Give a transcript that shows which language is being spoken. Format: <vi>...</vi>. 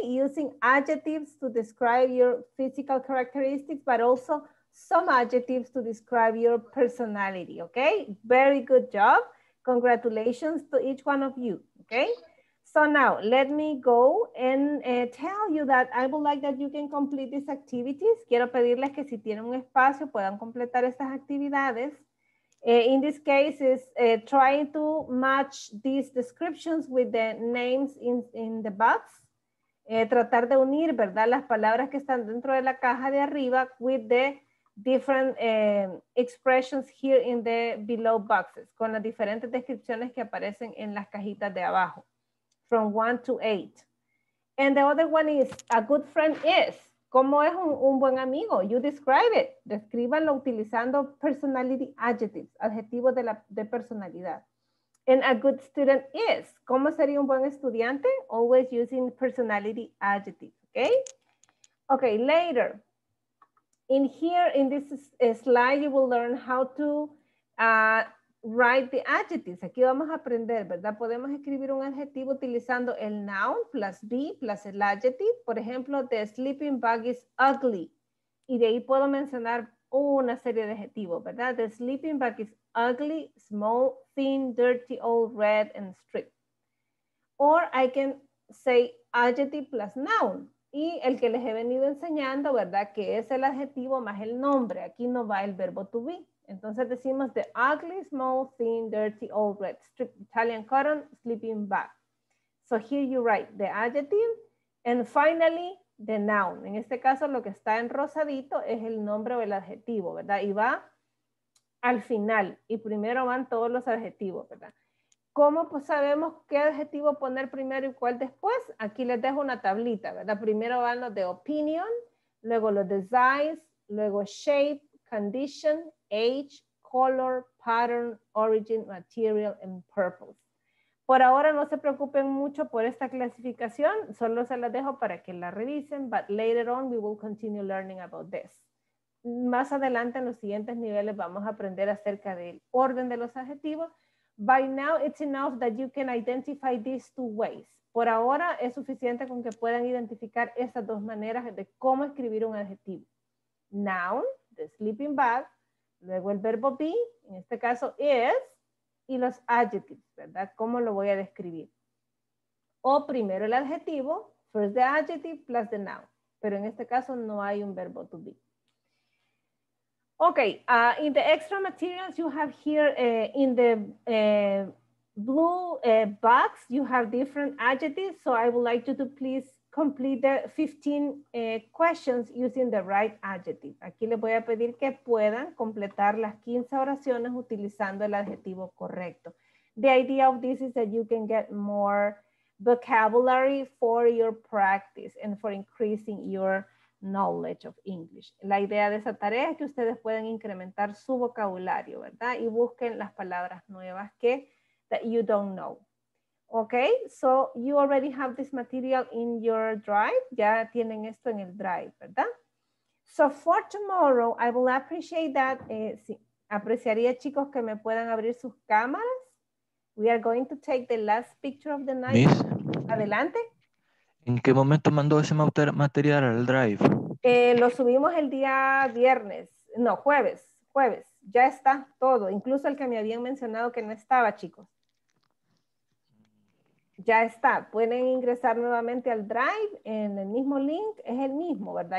<en>Using adjectives to describe your physical characteristics, but also some adjectives to describe your personality, okay? Very good job. Congratulations to each one of you, okay? So now let me go and tell you that I would like that you can complete these activities.</en> <es>Quiero pedirles que si tienen un espacio puedan completar estas actividades.</es> <en>In this case, is trying to match these descriptions with the names in the box.</en> <es>Tratar de unir, ¿verdad? Las palabras que están dentro de la caja de arriba</es> <en>with the different expressions here in the below boxes,</en> <es>con las diferentes descripciones que aparecen en las cajitas de abajo.</es> <en>From 1 to 8. And the other one is, a good friend is.</en> <es>¿Cómo es un buen amigo?</es> <en>You describe it.</en> <es>Descríbanlo utilizando</es> <en>personality adjectives,</en> <es>adjetivos de personalidad.</es> <en>And a good student is.</en> <es>¿Cómo sería un buen estudiante?</es> <en>Always using personality adjectives. Okay? Okay, later. In here, in this slide, you will learn how to write the adjectives.</en> <es>Aquí vamos a aprender, ¿verdad? Podemos escribir un adjetivo utilizando el noun plus be plus el adjective. Por ejemplo,</es> <en>the sleeping bag is ugly.</en> <es>Y de ahí puedo mencionar una serie de adjetivos, ¿verdad?</es> <en>The sleeping bag is ugly, small, thin, dirty, old, red, and stripped. Or I can say adjective plus noun.</en> <es>Y el que les he venido enseñando, ¿verdad? Que es el adjetivo más el nombre. Aquí no va el verbo to be. Entonces decimos</es> <en>the ugly, small, thin, dirty, old, red, stripped Italian cotton, sleeping bag. So here you write the adjective and finally the noun.</en> <es>En este caso lo que está en rosadito es el nombre o el adjetivo, ¿verdad? Y va al final y primero van todos los adjetivos, ¿verdad? ¿Cómo pues sabemos qué adjetivo poner primero y cuál después? Aquí les dejo una tablita, ¿verdad? Primero van los de opinion, luego los de size, luego shape, condition, age, color, pattern, origin, material, and purpose. Por ahora no se preocupen mucho por esta clasificación, solo se la dejo para que la revisen,</es> <en>but later on we will continue learning about this.</en> <es>Más adelante en los siguientes niveles vamos a aprender acerca del orden de los adjetivos,</es> <en>By now, it's enough that you can identify these two ways.</en> <es>Por ahora, es suficiente con que puedan identificar esas dos maneras de cómo escribir un adjetivo.</es> <en>Noun, the sleeping bag.</en> <es>Luego el verbo be, en este caso is, y los adjectives, ¿verdad? ¿Cómo lo voy a describir? O primero el adjetivo,</es> <en>first the adjective plus the noun.</en> <es>Pero en este caso no hay un verbo to be.</es> <en>Okay, in the extra materials you have here in the blue box, you have different adjectives. So I would like you to please complete the 15 questions using the right adjective.</en> <es>Aquí les voy a pedir que puedan completar las 15 oraciones utilizando el adjetivo correcto.</es> <en>The idea of this is that you can get more vocabulary for your practice and for increasing your knowledge of English.</en> <es>La idea de esa tarea es que ustedes puedan incrementar su vocabulario, ¿verdad? Y busquen las palabras nuevas que</es> <en>that you don't know. Okay, so you already have this material in your drive.</en> <es>Ya tienen esto en el drive, ¿verdad?</es> <en>So for tomorrow, I will appreciate that.</en> <es>Sí, apreciaría, chicos, que me puedan abrir sus cámaras.</es> <en>We are going to take the last picture of the night. Miss,</en> <es>adelante. ¿En qué momento mandó ese material al drive? Lo subimos el día viernes. No, jueves. Jueves. Ya está todo. Incluso el que me habían mencionado que no estaba, chicos. Ya está, pueden ingresar nuevamente al Drive en el mismo link, es el mismo, ¿verdad?</es>